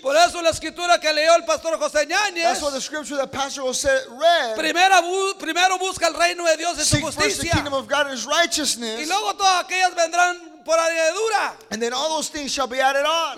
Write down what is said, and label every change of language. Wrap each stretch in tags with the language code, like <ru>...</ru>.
<es>Por eso la escritura que leyó el pastor José Ñañez,</es> <en>that's what the scripture that Pastor José read,</en> <es>primero busca el reino de Dios y su justicia,</es> <en>the kingdom of God and his righteousness,</en> <es>y luego todas aquellas vendrán.</es> <en>And then all those things shall be added on.</en>